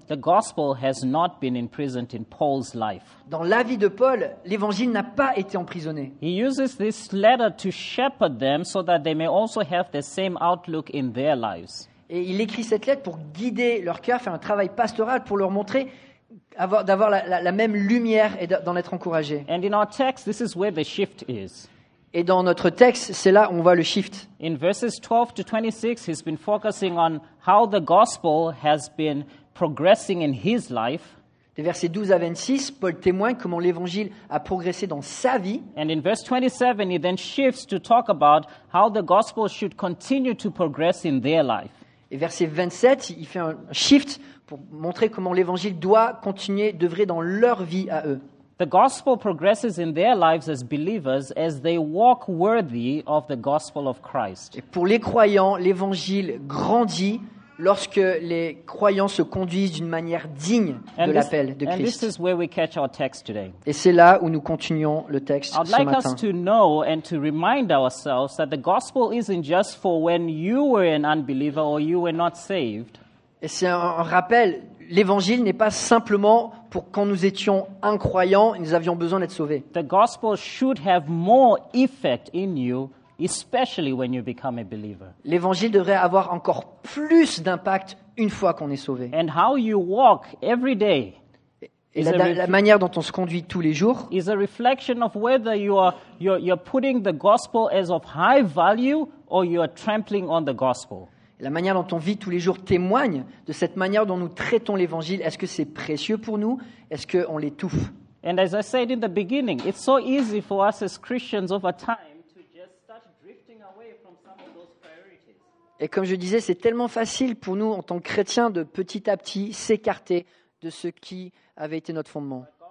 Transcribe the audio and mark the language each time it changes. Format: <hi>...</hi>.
<en>The gospel has not been imprisoned in Paul's life.</en> <fr>Dans la vie de Paul, l'Évangile n'a pas été emprisonné.</fr> <en>He uses this letter to shepherd them so that they may also have the same outlook in their lives.</en> <fr>Et il écrit cette lettre pour guider leur cœur, faire un travail pastoral pour leur montrer d'avoir la même lumière et d'en être encouragé.</fr> <en>And in our text, this is where the shift is.</en> <fr>Et dans notre texte, c'est là où on voit le shift.</fr> <en>In verses 12 to 26, he's been focusing on how the gospel has been progressing in his life.</en> <fr>Des versets 12 à 26, Paul témoigne comment l'évangile a progressé dans sa vie.</fr> <en>And in verse 27, he then shifts to talk about how the gospel should continue to progress in their life.</en> <fr>Et verset 27, il fait un shift pour montrer comment l'évangile doit continuer d'œuvrer dans leur vie à eux.</fr> <en>The gospel progresses in their lives as believers as they walk worthy of the gospel of Christ.</en> <fr>Et pour les croyants, l'évangile grandit lorsque les croyants se conduisent d'une manière digne de l'appel de Christ.</fr> <en>And this is where we catch our text today.</en> <fr>Et c'est là où nous continuons le texte ce matin.</fr> <en>I'd like us to know and to remind ourselves that the gospel isn't just for when you were an unbeliever or you were not saved.</en> <fr>Et c'est un rappel, l'évangile n'est pas simplement pour quand nous étions incroyants et nous avions besoin d'être sauvés.</fr> <en>The gospel should have more effect in you, especially when you become a believer.</en> <fr>L'évangile devrait avoir encore plus d'impact une fois qu'on est sauvé.</fr> <en>And how you walk every day</en> <fr>et la manière dont on se conduit tous les jours</fr> <en>is a reflection of whether you're putting the gospel as of high value or you're trampling on the gospel.</en> <fr>La manière dont on vit tous les jours témoigne de cette manière dont nous traitons l'Évangile. Est-ce que c'est précieux pour nous? Est-ce qu'on l'étouffe?</fr> <en>And as I said in the beginning, it's so easy for us as Christians over time to just start drifting away from some of those priorities.</en> <fr>Et comme je disais, c'est tellement facile pour nous en tant que chrétiens de petit à petit s'écarter de ce qui avait été notre fondement.</fr>